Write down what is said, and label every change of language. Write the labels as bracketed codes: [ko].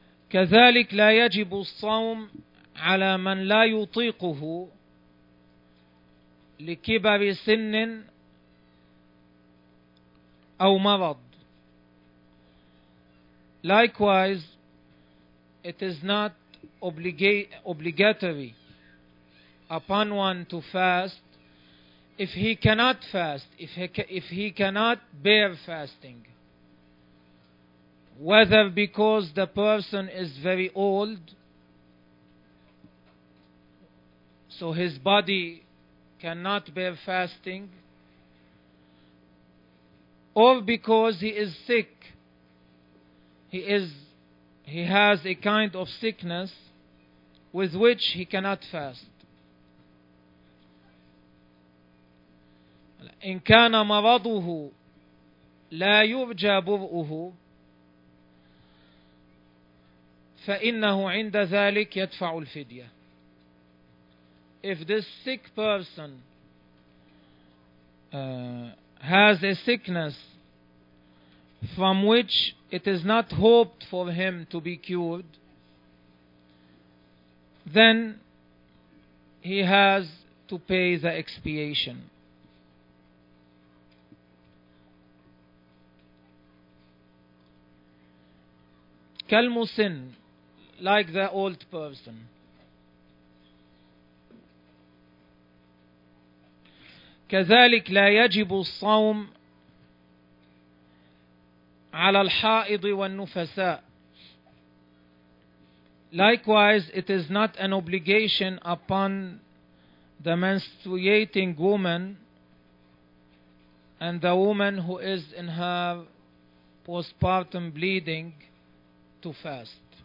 [ar] كذلك لا يجب الصوم على من لا يطيقه لكبر سن أو مرض. [en] Likewise, it is not obligatory upon one to fast if he cannot fast, if he cannot bear fasting. Whether because the person is very old, so his body cannot bear fasting, or because he is sick, he has a kind of sickness with which he cannot fast. [ar] إن كان مرضه لا يرجى برؤه فإنه عند ذلك يدفع الفدية. [en] If this sick person has a sickness from which it is not hoped for him to be cured, then he has to pay the expiation. كالمسن, like the old person. [ar] كذلك لا يجب الصوم على الحائض والنفساء. [en] Likewise, it is not an obligation upon the menstruating woman and the woman who is in her postpartum bleeding to fast.